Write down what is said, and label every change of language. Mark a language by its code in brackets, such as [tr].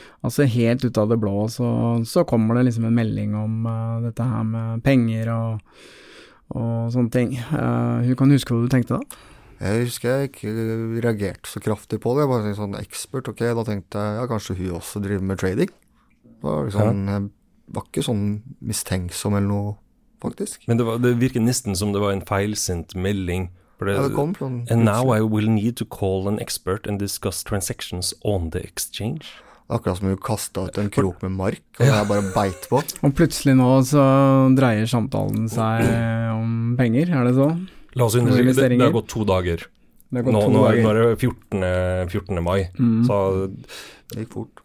[no] Altså helt ut av det blå, så kommer det liksom en melding om dette her med penger og sånne ting. Hun kan huske hva du tenkte da? Jeg husker jeg ikke reagert så kraftig på det. Jeg bare tenkte sånn ekspert, ok, da tenkte jeg, ja, kanskje hun også driver med trading. Da liksom, ja. Jeg var ikke sånn mistenksom eller noe. Faktisk. Men det virket nesten som det var en feilsendt melding. Det kom fra en... [en] And now I will need to call an expert and discuss transactions on the exchange. [no] Akkurat som du kastet ut en krok med mark, og jeg bare beit på. Og plutselig nå så dreier samtalen seg om penger, er det så? La oss undersøke, det har gått to dager. Nå er det 14. mai. Mm. Så, det gikk fort.